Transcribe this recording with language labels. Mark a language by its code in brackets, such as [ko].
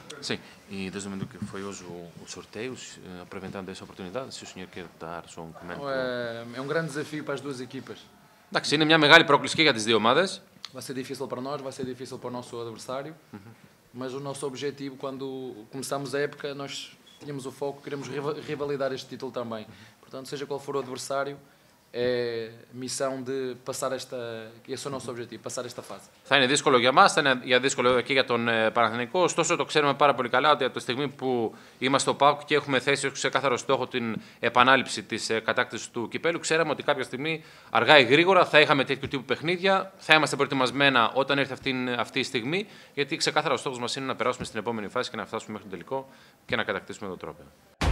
[pt] Sim, e desde o momento que foi hoje o sorteio, aproveitando essa oportunidade, se o senhor quer dar só um comentário. É um grande desafio para as duas equipas. [el] Εντάξει, είναι μια μεγάλη πρόκληση και για τις 2 ομάδες. [pt] Vai ser difícil para nós, vai ser difícil para o nosso adversário. Mas o nosso objetivo, quando começamos a época, nós tínhamos o foco, queremos rivalizar este título também. Portanto, seja qual for o adversário, é missão de passar esta, esse é o nosso objetivo, passar esta fase. [el] Θα είναι δύσκολο για μας, θα είναι δύσκολο και για τον Παναθηναϊκό, ωστόσο το ξέρουμε πάρα πολύ καλά ότι από τη στιγμή που είμαστε στο ΠΑΟΚ και έχουμε θέσει ως ξεκάθαρο στόχο την επανάληψη της κατάκτησης του κυπέλου, ξέραμε ότι κάποια στιγμή αργά ή γρήγορα θα είχαμε τέτοιου τύπου παιχνίδια, θα είμαστε προετοιμασμένα όταν έρθει αυτή η στιγμή, γιατί ξεκάθαρο στόχος μας είναι να περάσουμε στην επόμενη φάση και να φτάσουμε μέχρι τον τελικό και να κατακτήσουμε το τρόπαιο.